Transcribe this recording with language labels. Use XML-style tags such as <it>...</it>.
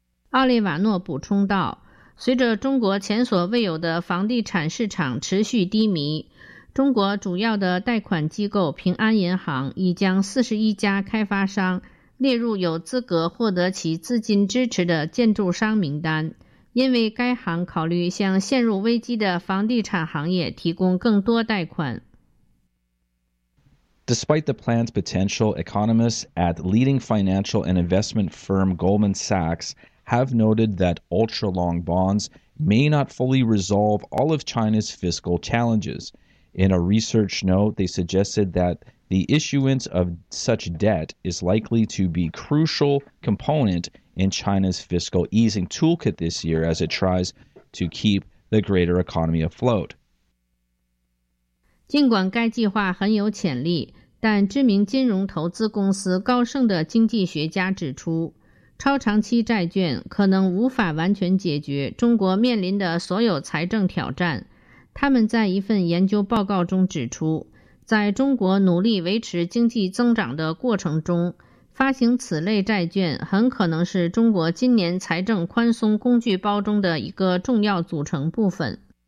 <zh>奥利瓦诺补充道，随着中国前所未有的房地产市场持续低迷，中国主要的贷款机构平安银行已将41家开发商列入有资格获得其资金支持的建筑商名单，因为该行考虑向陷入危机的房地产行业提供更多贷款。</zh> <en>Despite the plan's potential, economists at leading financial and investment firm Goldman Sachs have noted that ultra-long bonds may not fully resolve all of China's fiscal challenges. In a research note, they suggested that the issuance of such debt is likely to be a crucial component in China's fiscal easing toolkit this year as it tries to keep the greater economy afloat.</en> <zh>尽管该计划很有潜力，但知名金融投资公司高盛的经济学家指出，超长期债券可能无法完全解决中国面临的所有财政挑战。他们在一份研究报告中指出，在中国努力维持经济增长的过程中，发行此类债券很可能是中国今年财政宽松工具包中的一个重要组成部分。</zh>